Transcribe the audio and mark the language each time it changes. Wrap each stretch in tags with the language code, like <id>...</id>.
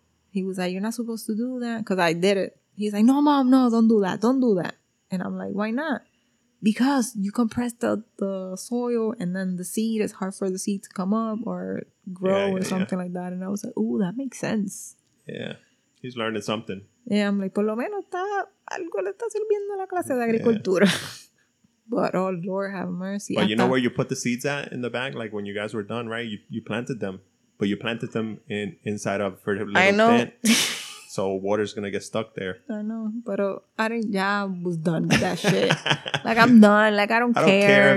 <en>He was like, "You're not supposed to do that because I did it." He's like, "No, mom, no, don't do that, don't do that." And I'm like, "Why not? Because you compress the soil and then the seed is hard for the seed to come up or grow like that." And I was like, "Ooh, that makes sense." Yeah, he's learning something. Yeah, I'm like,</en> <es>por lo menos está algo le está sirviendo la clase de agricultura.</es> <en>Yeah. But oh Lord have mercy. But you know where you put the seeds at in the bag? Like when you guys were done, right? You planted them. But you planted them inside of a little tent. So water's gonna get stuck there. I know. But I was done with that shit. Like I'm done. Like I don't care</en>